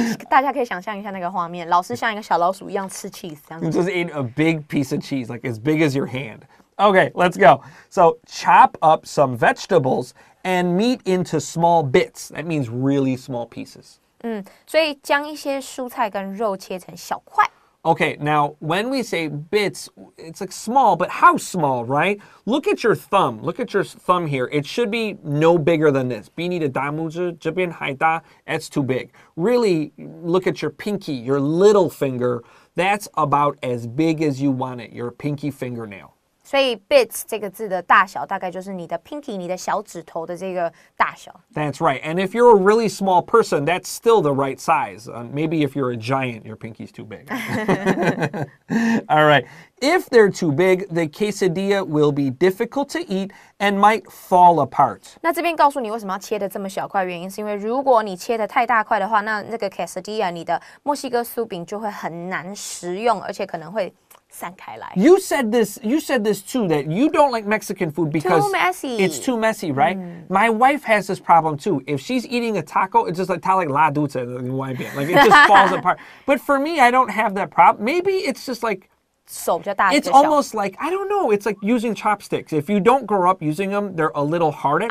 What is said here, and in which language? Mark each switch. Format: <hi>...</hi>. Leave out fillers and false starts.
<zh>大家可以想象一下那个画面，老师像一个小老鼠一样吃 cheese， 这样子。</zh> <en>Just eat a big piece of cheese, like as big as your hand. Okay, let's go. So chop up some vegetables and meat into small bits. That means really small pieces.</en> <zh>所以将一些蔬菜跟肉切成小块。</zh> <en>Okay, now when we say bits, it's like small, but how small, right? Look at your thumb. Look at your thumb here. It should be no bigger than this.</en> <zh>比你的大拇指这边还大,</zh> <en>that's too big. Really, look at your pinky, your little finger. That's about as big as you want it, your pinky fingernail.</en> <zh>所以 bits 这个字的大小大概就是你的 pinky, 你的小指头的这个大小。</zh> <en>That's right. And if you're a really small person, that's still the right size. Maybe if you're a giant, your pinky's too big. All right. If they're too big, the quesadilla will be difficult to eat and might fall apart.</en> <zh>那这边告诉你为什么要切得这么小块，原因是因为如果你切得太大块的话，那那个 quesadilla, 你的墨西哥酥饼就会很难食用，而且可能会散开来。</zh> <en>You said this too, that you don't like Mexican food because it's too messy, right? My wife has this problem too. If she's eating a taco, it's just like, ta like la duta, like it just falls apart. But for me, I don't have that problem. Maybe it's just like,</en> <zh>手比较大,</zh> <en>it's almost like, I don't know, it's like using chopsticks. If you don't grow up using them, they're a little hard at</en>